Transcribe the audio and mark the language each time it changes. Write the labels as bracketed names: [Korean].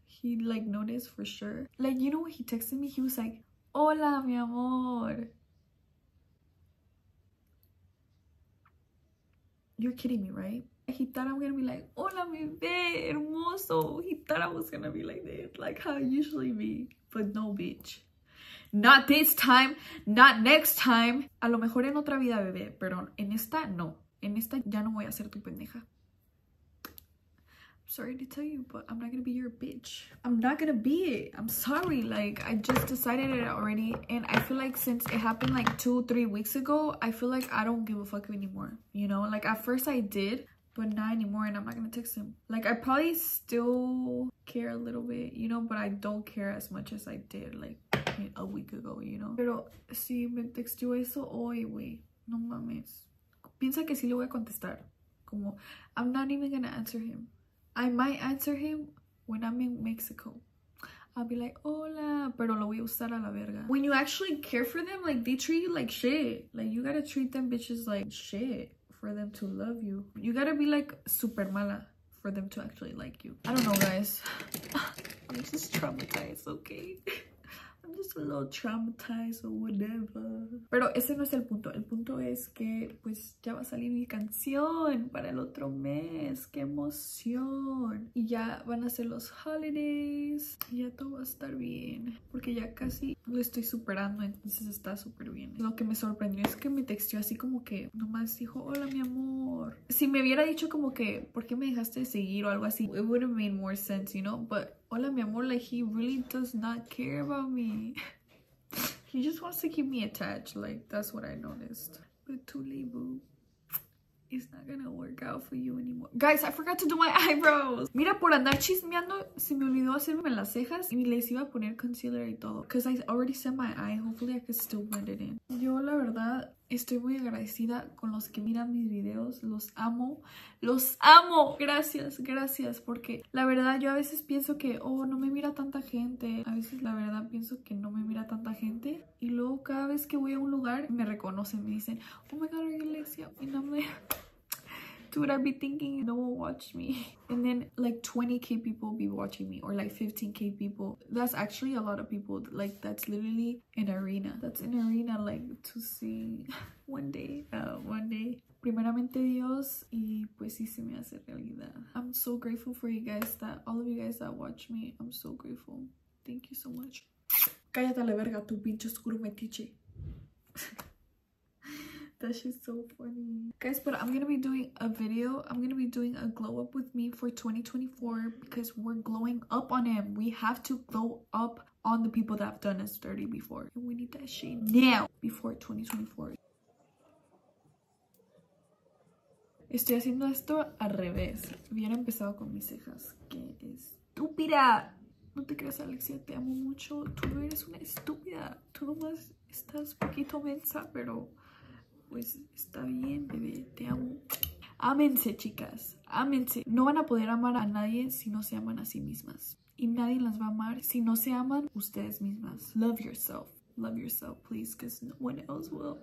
[English] He, like, noticed for sure. Like, you know what he texted me? He was like, [Spanish] hola, mi amor. [English] You're kidding me, right? He thought I'm gonna be like, [Spanish] hola, mi bebé, hermoso. [English] He thought I was gonna be like this, like how I usually be. But no, bitch. Not this time, not next time. [Spanish] A lo mejor en otra vida, bebé, pero en esta, no. En esta, ya no voy a ser tu pendeja. [English] I'm sorry to tell you, but I'm not gonna be your bitch. I'm not gonna be it. I'm sorry, like, I just decided it already. And I feel like since it happened, like, 2-3 weeks ago, I feel like I don't give a fuck anymore, you know? Like, at first I did, but not anymore, and I'm not gonna text him. Like, I probably still care a little bit, you know, but I don't care as much as I did, like, a week ago, you know. [Spanish] Pero si me textió eso hoy, wey, no mames, piensa que sí le voy a contestar. Como, [English] I'm not even gonna answer him. I might answer him when I'm in Mexico. I'll be like, [Spanish] hola, pero lo voy a usar a la verga. [English] When you actually care for them, like, they treat you like shit. Like, you gotta treat them bitches like shit for them to love you. You gotta be, like, [Spanish] super mala [English] for them to actually like you. I don't know, guys. I'm just traumatized, okay? I'm just a little traumatized or whatever. [Spanish] Pero ese no es el punto. El punto es que, pues, ya va a salir mi canción para el otro mes. ¡Qué emoción! Y ya van a ser los holidays. Y ya todo va a estar bien. Porque ya casi lo estoy superando, entonces está súper bien. Lo que me sorprendió es que me texteó así como que nomás dijo, hola, mi amor. Si me hubiera dicho como que, ¿por qué me dejaste de seguir? O algo así. [English] It would have made more sense, you know? But, [Spanish] hola, mi amor, [English] like, he really does not care about me. He just wants to keep me attached, like, that's what I noticed. But too late, boo. It's not gonna work out for you anymore. Guys, I forgot to do my eyebrows. [Spanish] Mira, por andar chismeando, se me olvidó hacerme las cejas. Y les iba a poner concealer y todo. [English] Because I already set my eye. Hopefully, I can still blend it in. [Spanish] Yo, la verdad, estoy muy agradecida con los que miran mis videos. Los amo. ¡Los amo! Gracias, gracias. Porque la verdad, yo a veces pienso que, oh, no me mira tanta gente. A veces, la verdad, pienso que no me mira tanta gente. Y luego, cada vez que voy a un lugar, me reconocen. Me dicen, [English] oh my God, are you Alexia? [Spanish] Mi nombre. [English] Dude, I'd be thinking no one watched me. And then like 20k people be watching me, or like 15k people. That's actually a lot of people. Like, that's literally an arena. That's an arena, like, to see one day. One day. [Spanish] Primeramente Dios, y pues sí se me hace realidad. [English] I'm so grateful for you guys, that all of you guys that watch me. I'm so grateful. Thank you so much. [Spanish] Cállate la verga, tu pinche oscuro metiche. [English] That shit's so funny. Guys, but I'm gonna be doing a video. I'm gonna be doing a glow up with me for 2024 because we're glowing up on him. We have to glow up on the people that have done us dirty before. And we need that shit now before 2024. [Spanish] Estoy haciendo esto al revés. Hubiera empezado con mis cejas. Qué estúpida. No te creas, Alexia. Te amo mucho. Tú no eres una estúpida. Tú nomás estás poquito mensa, pero... pues está bien, bebé, te amo. Ámense, chicas, ámense. No van a poder amar a nadie si no se aman a sí mismas. Y nadie las va a amar si no se aman ustedes mismas. [English] Love yourself. Love yourself, please, because no one else will.